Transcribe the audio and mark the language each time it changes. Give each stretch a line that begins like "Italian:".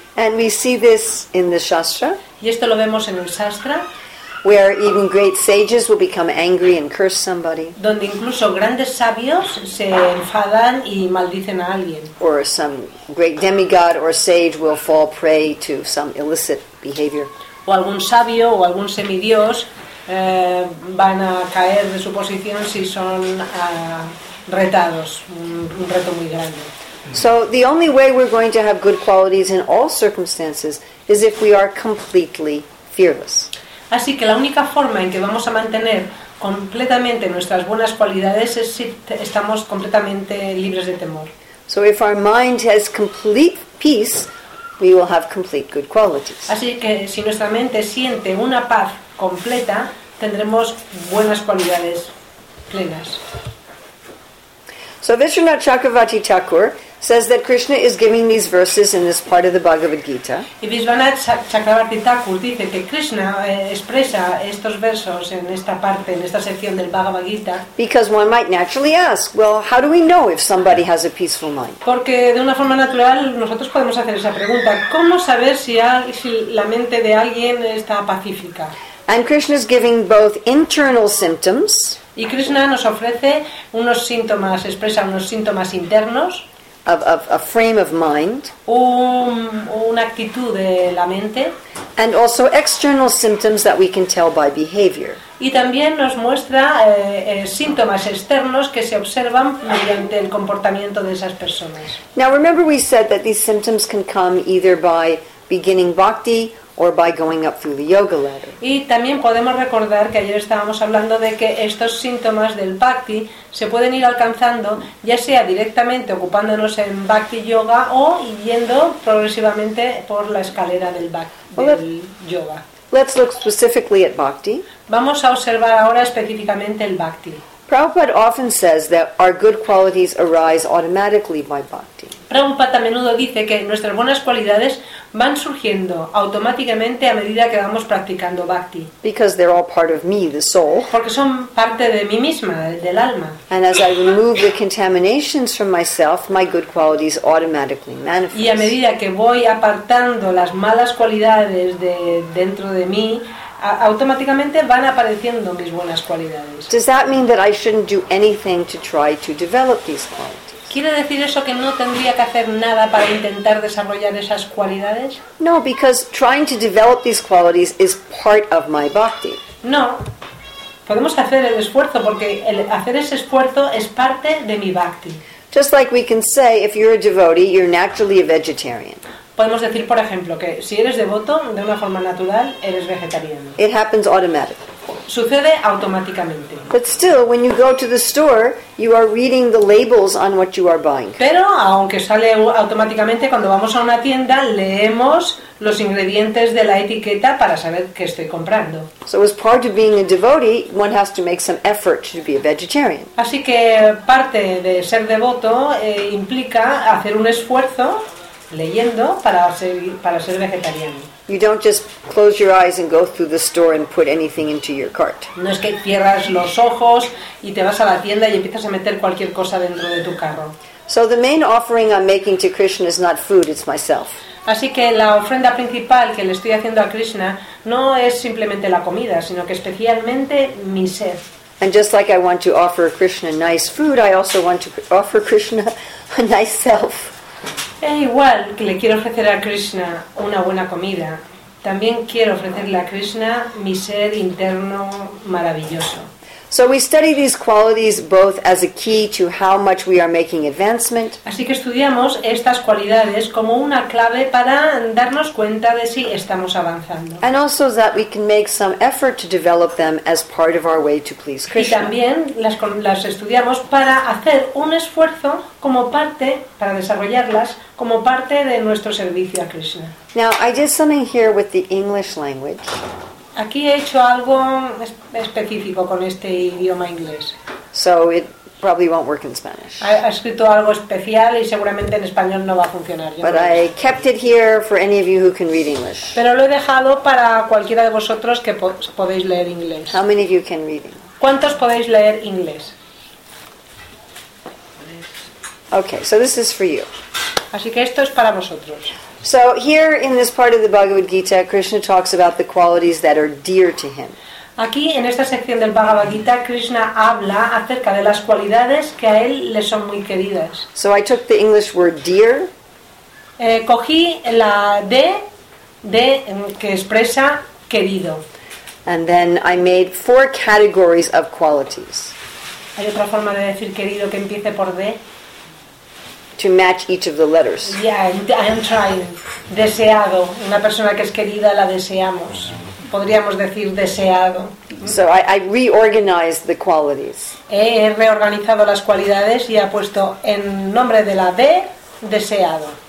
English: And we see this in the Shastra.
Spanish: Y esto lo vemos en el Shastra.
English: Where even great sages will become angry and curse somebody.
Spanish: Donde incluso grandes sabios se enfadan y maldicen a alguien.
English: Or some great demigod or sage will fall prey to some illicit behavior.
Spanish: O algún sabio o algún semidios van a caer de su posición si son retados, un reto muy grande.
English: So the only way we're going to have good qualities in all circumstances is if we are completely fearless.
Spanish: Así que la única forma en que vamos a mantener completamente nuestras buenas cualidades es si estamos completamente libres de temor.
English: So if our mind has complete peace, we will have complete good qualities.
Spanish: Así que si nuestra mente siente una paz completa, tendremos buenas cualidades plenas.
English: So Vishwanatha Chakravarti Thakur says that Krishna is giving these verses in this part of the Bhagavad Gita.
Spanish: Y Vishwanatha Chakravarti Thakur dice que Krishna expresa estos versos en esta parte, en esta sección del Bhagavad Gita.
English: Because one might naturally ask, well, how do we know if somebody has a peaceful mind?
Spanish: Porque de una forma natural nosotros podemos hacer esa pregunta. ¿Cómo saber si la mente de alguien está pacífica?
English: And Krishna is giving both internal symptoms.
Spanish: Y Krishna nos ofrece unos síntomas, expresa unos síntomas internos.
English: Of a frame of mind.
Spanish: Una actitud de la mente.
English: And also external symptoms that we can tell by behavior.
Spanish: Y también nos muestra síntomas externos que se observan mediante el comportamiento de esas personas.
English: Now remember we said that these symptoms can come either by beginning bhakti or by going up through the yoga ladder.
Spanish: Y también podemos recordar que ayer estábamos hablando de que estos síntomas del bhakti se pueden ir alcanzando ya sea directamente ocupándonos en bhakti yoga o yendo progresivamente por la escalera del yoga.
English: Let's look specifically at bhakti.
Spanish: Vamos a observar ahora específicamente el bhakti.
English: Prabhupada often says that our good qualities arise automatically by bhakti.
Spanish: Prabhupada a menudo dice que nuestras buenas cualidades van surgiendo automáticamente a medida que vamos practicando bhakti.
English: Because they're all part of me, the soul.
Spanish: Porque son parte de mí misma, del alma.
English: And as I remove the contaminations from myself, my good qualities automatically manifest.
Spanish: Y a medida que voy apartando las malas cualidades de dentro de mí, automáticamente van apareciendo mis buenas cualidades.
English: Does that mean that I shouldn't do anything to try to develop these qualities?
Spanish: ¿Quiere decir eso que no tendría que hacer nada para intentar desarrollar esas cualidades?
English: No, because trying to develop these qualities is part of my bhakti.
Spanish: No, Podemos hacer el esfuerzo porque el hacer ese esfuerzo es parte de mi bhakti.
English: Just like we can say, if you're a devotee, you're naturally a vegetarian.
Spanish: Podemos decir, por ejemplo, que si eres devoto, de una forma natural, eres vegetariano.
English: It happens automatically.
Spanish: Sucede automáticamente.
English: But still, when you go to the store, you are reading the labels on what you are buying.
Spanish: Pero aunque sale automáticamente, cuando vamos a una tienda, leemos los ingredientes de la etiqueta para saber qué estoy comprando.
English: So as part of being a devotee, one has to make some effort to be a vegetarian.
Spanish: Así que parte de ser devoto implica hacer un esfuerzo leyendo para ser vegetariano.
English: You don't just close your eyes and go through the store and put anything into your cart.
Spanish: No es que cierras los ojos y te vas a la tienda y empiezas a meter cualquier cosa dentro de tu carro.
English: So the main offering I'm making to Krishna is not food, it's myself.
Spanish: Así que la ofrenda principal que le estoy haciendo a Krishna no es simplemente la comida, sino que especialmente mi ser.
English: And just like I want to offer Krishna nice food, I also want to offer Krishna a nice self.
Spanish: Es igual que le quiero ofrecer a Krishna una buena comida, también quiero ofrecerle a Krishna mi ser interno maravilloso.
English: So we study these qualities both as a key to how much we are making advancement.
Spanish: Así que estudiamos estas cualidades como una clave para darnos cuenta de si estamos avanzando.
English: And also that we can make some effort to develop them as part of our way to please Krishna.
Spanish: Y también las estudiamos para hacer un esfuerzo como parte para desarrollarlas como parte de nuestro servicio a Krishna.
English: Now I did something here with the English language.
Spanish: Aquí he hecho algo específico con este idioma inglés.
English: So it probably won't work in Spanish.
Spanish: Ha escrito algo especial y seguramente en español no va a funcionar.
English: But I kept it here for any of you who can read English.
Spanish: Pero lo he dejado para cualquiera de vosotros que podéis leer inglés.
English: How many of you can read English?
Spanish: ¿Cuántos podéis leer inglés?
English: Okay, so this is for you.
Spanish: Así que esto es para vosotros.
English: So here in this part of the Bhagavad Gita, Krishna talks about the qualities that are dear to him.
Spanish: Aquí en esta sección del Bhagavad Gita, Krishna habla acerca de las cualidades que a él le son muy queridas.
English: So I took the English word dear.
Spanish: Cogí la D de que expresa querido.
English: And then I made four categories of qualities.
Spanish: Hay otra forma de decir querido que empiece por D.
English: To match each of the letters. Yeah, I'm trying.
Spanish: Deseado. Una persona que es querida la deseamos. Podríamos decir deseado.
English: So I reorganized the qualities.
Spanish: He reorganizado las cualidades y ha puesto en nombre de la D, deseado.